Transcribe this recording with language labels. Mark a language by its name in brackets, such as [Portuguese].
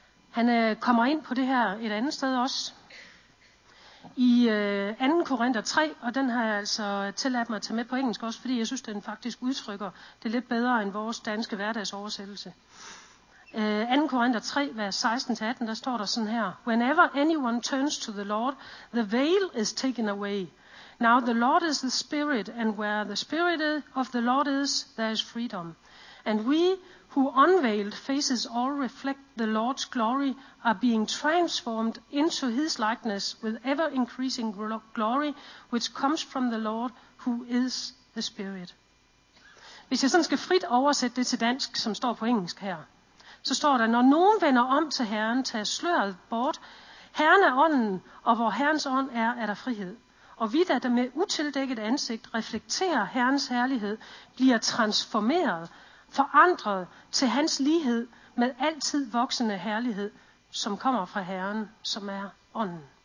[Danish] Han kommer ind på det her et andet sted også. I 2. Korinther 3, og den har jeg altså tilladt mig at tage med på engelsk også, fordi jeg synes, den faktisk udtrykker det lidt bedre end vores danske hverdagsoversættelse. 2. Korinther 3, vers 16-18, der står der sådan her. [English] Whenever anyone turns to the Lord, the veil is taken away. Now the Lord is the Spirit, and where the Spirit of the Lord is, there is freedom. And we who unveiled faces all reflect the Lord's glory are being transformed into his likeness with ever increasing glory which comes from the Lord who is the Spirit. [Danish] Hvis jeg sådan skal frit oversætte det til dansk, som står på engelsk her, så står der, når nogen vender om til Herren, tager sløret bort, Herren er ånden, og hvor Herrens ånd er, er der frihed. Og vi, der med utildækket ansigt reflekterer Herrens herlighed, bliver transformeret, forandret til hans lighed med altid voksende herlighed, som kommer fra Herren, som er ånden.